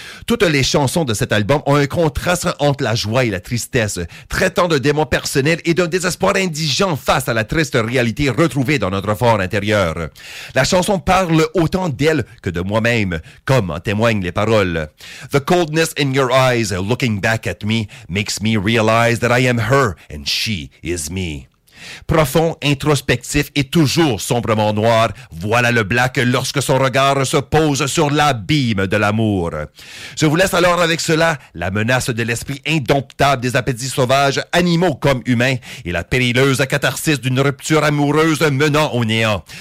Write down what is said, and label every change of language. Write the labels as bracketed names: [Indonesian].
[French] Toutes les chansons de cet album ont un contraste entre la joie et la tristesse, traitant d'un démon personnel et d'un désespoir indigent face à la triste réalité retrouvée dans notre fort intérieur. La chanson parle autant d'elle que de moi-même, comme en témoignent les paroles. [English] The coldness in your eyes, looking back at me, makes me realize that I am her and she is me. [French] Profond, introspectif et toujours sombrement noir, voilà le Black lorsque son regard se pose sur l'abîme de l'amour. Je vous laisse alors avec cela, la menace de l'esprit indomptable des appétits sauvages, animaux comme humains, et la périlleuse catharsis d'une rupture amoureuse menant au néant.